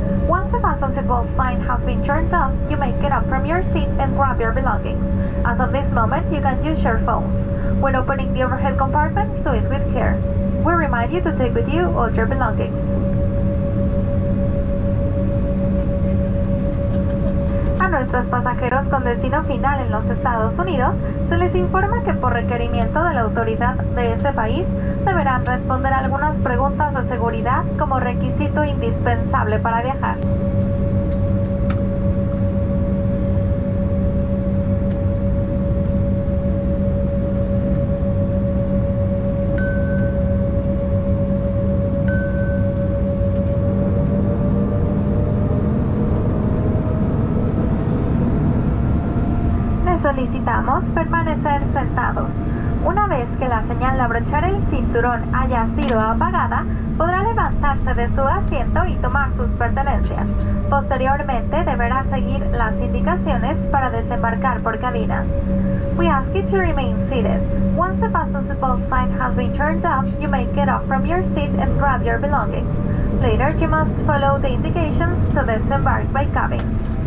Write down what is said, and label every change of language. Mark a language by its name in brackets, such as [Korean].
[English] Once the fasten seatbelt sign has been turned on, you may get up from your seat and grab your belongings. As of this moment, you can use your phones. When opening the overhead compartments, do it with care. We remind you to take with you all your belongings. [Spanish] A nuestros pasajeros con destino final en los Estados Unidos, se les informa que por requerimiento de la autoridad de ese país, deberán responder algunas preguntas de seguridad como requisito indispensable para viajar. Necesitamos permanecer sentados. Una vez que la señal de abrochar el cinturón haya sido apagada, podrá levantarse de su asiento y tomar sus pertenencias. Posteriormente, deberá seguir las indicaciones para desembarcar por cabinas. [English] We ask you to remain seated. Once the fasten seatbelt sign has been turned off, you may get up from your seat and grab your belongings. Later, you must follow the indications to disembark by cabins.